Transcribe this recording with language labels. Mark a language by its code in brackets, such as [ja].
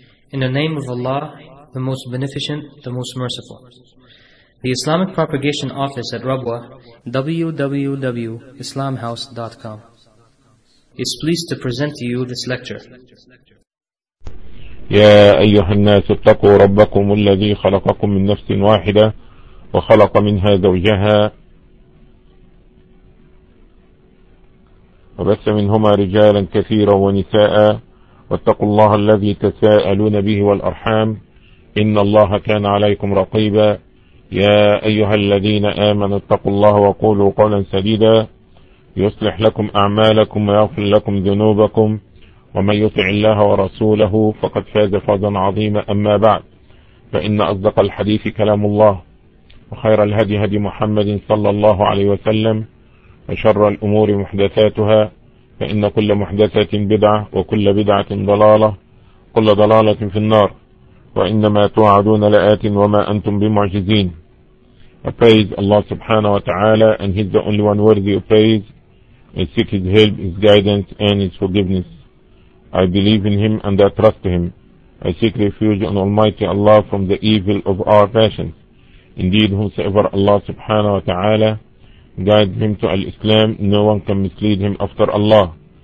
[en] In the name of Allah, the Most Beneficent, the Most Merciful. The Islamic Propagation Office at Rabwa, www.islamhouse.com, is pleased to present to you this lecture. [ar] يا أيها الناس اتقوا ربكم الذي خلقكم من نفس واحدة وخلق منها زوجها وبث منهما رجالا كثيرا ونساء واتقوا الله الذي تساءلون به والأرحام إن الله كان عليكم رقيبا يا أيها الذين آمنوا اتقوا الله وقولوا قولا سديدا يصلح لكم أعمالكم ويغفر لكم ذنوبكم ومن يطع الله ورسوله فقد فاز فوزا عظيما أما بعد فإن أصدق الحديث كلام الله وخير الهدي هدي محمد صلى الله عليه وسلم وشر الأمور محدثاتها فإن كل محدثة بدعة وكل بدعة ضلالة كل ضلالة في النار وإنما توعدون لآت وما أنتم بمعجزين. [en] I praise Allah subhanahu wa ta'ala, and He's the only one worthy of praise, and seek His help, His guidance and His forgiveness. I believe in Him and I trust Him. I seek refuge on Almighty Allah from the evil of our passions. Indeed, whosoever Allah subhanahu wa ta'ala guides him to Al-Islam, no one can mislead him after Allah.